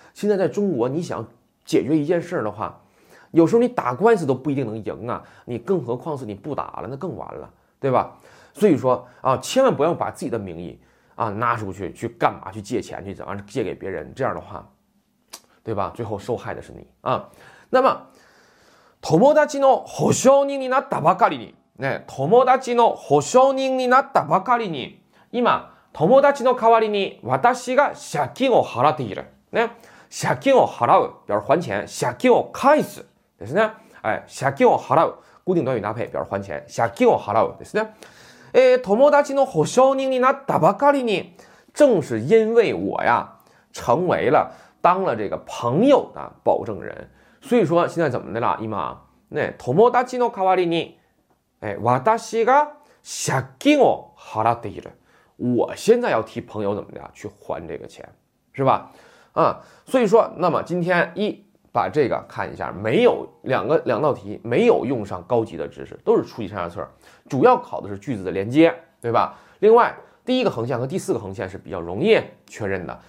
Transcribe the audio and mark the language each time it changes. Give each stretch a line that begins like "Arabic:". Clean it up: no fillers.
Chinese: 现在在中国，你想解决一件事儿的话，有时候你打官司都不一定能赢啊，你更何况是你不打了，那更完了，对吧？所以说啊，千万不要把自己的名义啊拿出去去干嘛，去借钱去怎么样，借给别人，这样的话，对吧？最后受害的是你啊。
Japanese: 那么，友達の保証人になったばかりに、ね、友達の保証人になったばかりに、今、友達の代わりに私が借金を払っている。ね、借金を払う、
Chinese: 表示还钱；
Japanese: 借金を返す、ですね。哎、借金を払う、
Chinese: 固定短语搭配、表示还钱；
Japanese: 借金を払う、ですね。友達の保証人になったばかりに、
Chinese: 正是因为我呀，成为了、当了这个朋友的保证人。所以说现在怎么的了？
Japanese: 今、ね、友達の代わりに、私が借金を払っている。
Chinese: 我现在要替朋友怎么的去还这个钱，是吧？所以说，那么今天一把这个看一下，没有两道题没有用上高级的知识，都是初级上下册，主要考的是句子的连接，对吧？另外，第一个横线和第四个横线是比较容易确认的。